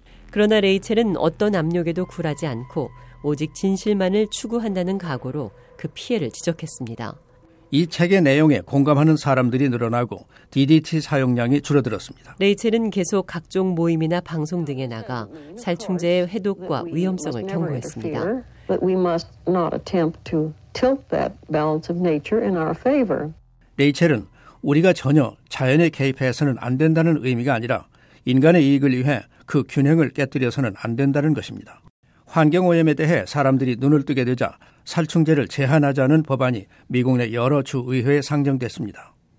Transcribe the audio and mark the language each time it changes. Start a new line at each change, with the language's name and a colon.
Korean: 그러나 레이첼은 어떤 압력에도 굴하지 않고 오직 진실만을 추구한다는 각오로 그 피해를 지적했습니다. 이 책의 내용에 공감하는 사람들이 늘어나고 DDT 사용량이 줄어들었습니다. 레이첼은 계속 각종 모임이나 방송 등에 나가 살충제의 해독과 위험성을 경고했습니다.
English: But we must not attempt to tilt that balance of nature in our favor.
Korean: 레이첼은 우리가 전혀 자연에 개입해서는 안 된다는 의미가 아니라 인간의 이익을 위해 그 균형을 깨뜨려서는 안 된다는 것입니다. 환경 오염에 대해 사람들이 눈을 뜨게 되자 살충제를 제한하자는 법안이 미국 내 여러 주 의회에 상정됐습니다.